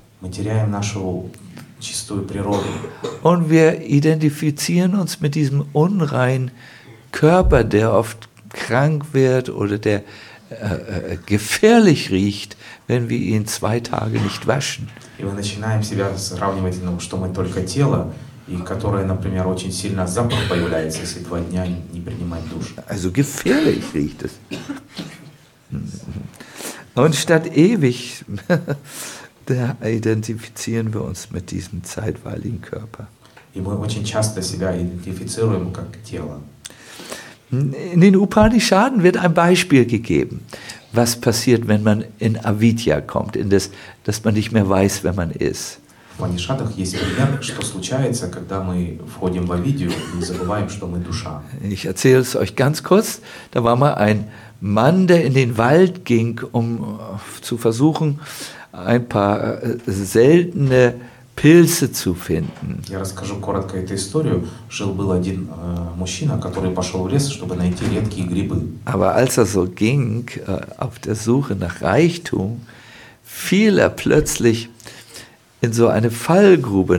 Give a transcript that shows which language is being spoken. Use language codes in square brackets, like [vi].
[de] Und wir identifizieren uns mit diesem unreinen Körper, der oft krank wird oder der gefährlich riecht, wenn wir ihn zwei Tage nicht waschen. [ru] И мы начинаем себя сравнивать, ну, что мы только тело, и которое, например, очень сильно запах появляется, если два дня не принимать душ. [de] Also gefährlich riecht es. Und statt ewig da identifizieren wir uns mit diesem zeitweiligen Körper. [ru] И мы очень часто себя идентифицируем как тело. [de] In den Upanishaden wird ein Beispiel gegeben, was passiert, wenn man in Avidya kommt, in das, dass man nicht mehr weiß, wer man ist. [ru] В Панишадах есть пример, что случается, когда мы входим в Авидью и забываем, что мы душа. [de] Ich erzähle es euch ganz kurz. Da war mal ein Mann, der in den Wald ging, um zu versuchen, ein paar seltene Пильсы zu finden. [ru] Я расскажу коротко эту историю. Жил был один мужчина, который пошел в лес, чтобы найти редкие грибы. [de] Aber als er so ging auf der Suche nach Reichtum, fiel er plötzlich in so eine Fallgrube.